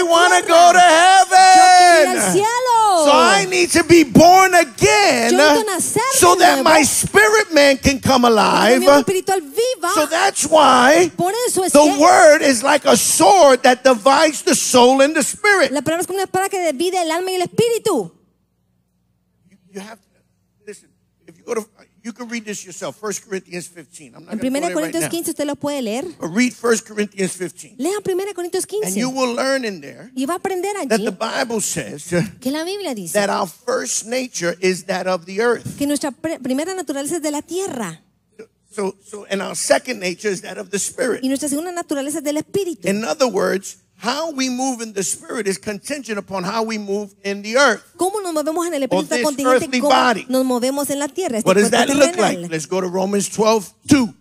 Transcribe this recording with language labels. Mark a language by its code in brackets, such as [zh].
[en] I want to go to heaven. [es] Yo quiero ir al cielo. [en] So I need to be born again so that my spirit man can come alive. So that's why the word is like a sword that divides the soul and the spirit. [es] La palabra es como una espada que divide el alma y el espíritu. [en] You have to listen. If you go to, you can read this yourself. 1 Corinthians 15. I'm not [es] en 1 Corintios 15 usted lo puede leer. [en] But read 1 Corinthians 15. [es] Lea 1 Corintios 15. [en] And you will learn in there. [es] Y va a aprender allí. [en] That the Bible says. [es] Que la Biblia dice. [en] That our first nature is that of the earth. [es] Que nuestra primera naturaleza es de la tierra. [en] So and our second nature is that of the spirit. [es] Y nuestra segunda naturaleza es del espíritu. [en] In other words. How we move in the spirit is contingent upon how we move in the earth. [es] ¿Cómo nos movemos en el espíritu [en] or this earthly body? [es] Nos movemos en la tierra, [en] what does that look like? Let's go to Romans 12:2.